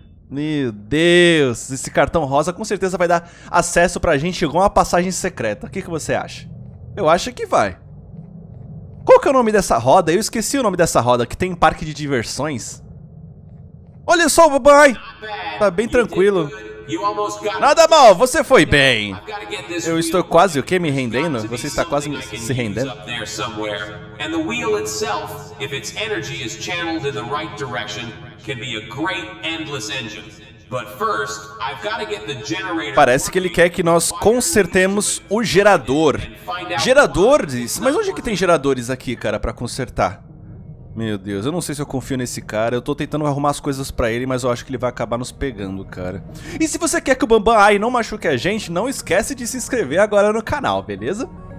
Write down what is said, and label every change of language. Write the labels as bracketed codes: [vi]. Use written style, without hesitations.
[pt] Meu Deus, esse cartão rosa com certeza vai dar acesso pra gente a uma passagem secreta. O que que você acha? Eu acho que vai. Qual que é o nome dessa roda? Eu esqueci o nome dessa roda, que tem um parque de diversões. Olha só o Bambam Ai. Tá bem tranquilo. Nada mal, você foi bem. Eu estou quase o quê? Me rendendo? Você está quase se rendendo? [en] And the wheel itself, if its energy is channeled in the right direction, can be a great endless engine. But first, I've got to get the generator. [pt] Parece que ele quer que nós consertemos o gerador. Geradores? Mas onde é que tem geradores aqui, cara, para consertar? Meu Deus, eu não sei se eu confio nesse cara. Eu tô tentando arrumar as coisas pra ele, mas eu acho que ele vai acabar nos pegando, cara. E se você quer que o Bambam Ai não machuque a gente, não esquece de se inscrever agora no canal, beleza?